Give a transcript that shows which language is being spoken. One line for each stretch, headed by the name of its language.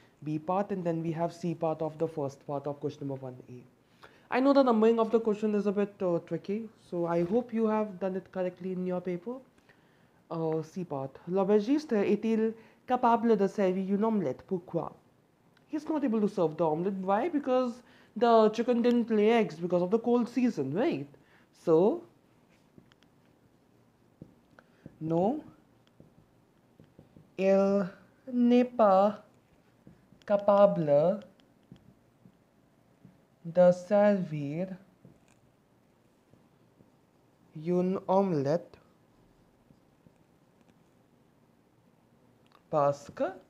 English: B part, and then we have C part of the first part of question number 1A. I know the numbering of the question is a bit tricky, so I hope you have done it correctly in your paper. C part.
French: L'aubergiste est-il capable de servir une omelette? Pourquoi?
English: He's not able to serve the omelette. Why? Because the chicken didn't lay eggs because of the cold season, right?
French: So, no, il n'est pas capable de servir une omelette parce que